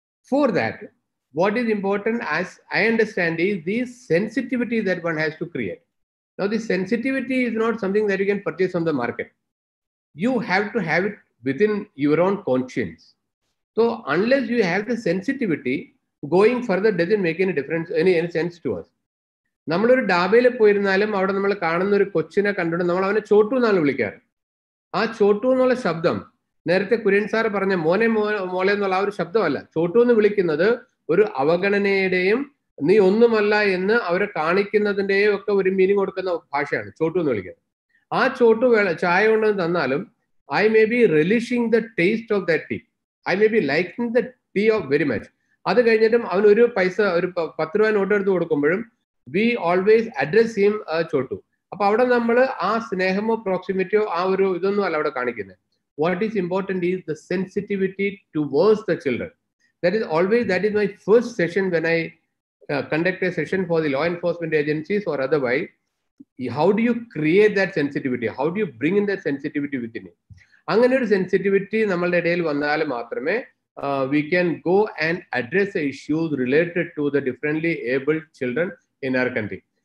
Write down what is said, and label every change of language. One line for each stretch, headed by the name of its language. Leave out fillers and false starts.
English: For that, what is important, as I understand, is the sensitivity that one has to create. Now the sensitivity is not something that you can purchase on the market. you have to have it within your own conscience. So unless you have the sensitivity, going further doesn't make any difference, any sense to us.
Malayalam: നമ്മളൊരു ഡാബയിൽ പോയിരുന്നാലും അവിടെ നമ്മൾ കാണുന്ന ഒരു കൊച്ചിനെ കണ്ടിട്ട് നമ്മൾ അവനെ ചോട്ടു എന്നാണ് വിളിക്കാറ്. ആ ചോട്ടു എന്നുള്ള ശബ്ദം നേരത്തെ കുര്യൻ സാർ പറഞ്ഞ മോനെ മോളെ എന്നുള്ള ആ ഒരു ശബ്ദമല്ല. ചോട്ടു എന്ന് വിളിക്കുന്നത് ഒരു അവഗണനയുടെയും നീ ഒന്നുമല്ല എന്ന് അവരെ കാണിക്കുന്നതിൻ്റെയും ഒക്കെ ഒരു മീനിങ് കൊടുക്കുന്ന ഭാഷയാണ് ചോട്ടു എന്ന് വിളിക്കുന്നത്. ആ ചോട്ടു വേള ചായ കൊണ്ടു തന്നാലും
English: I may be relishing the taste of the tea, I may be liking the tea of very much.
Malayalam: അത് കഴിഞ്ഞിട്ടും അവന് ഒരു പൈസ ഒരു 10 രൂപ നോട്ട് എടുത്ത് കൊടുക്കുമ്പോഴും
English: we always address
Malayalam: ചെയ്യും ചോട്ടു. അപ്പൊ അവിടെ നമ്മൾ ആ സ്നേഹമോ പ്രോക്സിമിറ്റിയോ ആ ഒരു ഇതൊന്നും അല്ല അവിടെ കാണിക്കുന്നത്.
English: What is important is the sensitivity towards the children. That is always, that is my first session when I conduct a session for the law enforcement agencies or otherwise. How do you create that sensitivity? How do you bring in that sensitivity within you?
Malayalam: Angane or sensitivity nammalde idayil vannale maatrame
English: we can go and address the issues related to the differently abled children in our country.